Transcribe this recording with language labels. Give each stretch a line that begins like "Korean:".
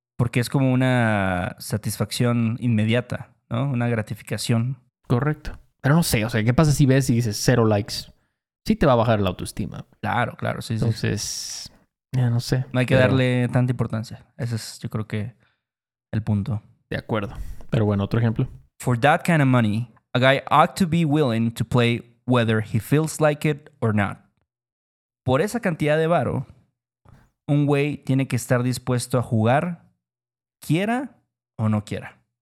Spanish: Porque es como una satisfacción inmediata, ¿no? Una gratificación. Correcto. Pero no sé, o sea, ¿qué pasa si ves y dices 0 likes? Sí te va a bajar la autoestima. Claro, claro, sí. Entonces, sí. Ya no sé. No hay que darle tanta importancia. Ese es, yo creo que, el punto. De acuerdo. Pero bueno, otro ejemplo.
English: For that kind of money, a guy ought to be willing to play whether he feels like it or not.
Spanish: Por esa cantidad de varo, un güey tiene que estar dispuesto a jugar, quiera o no quiera.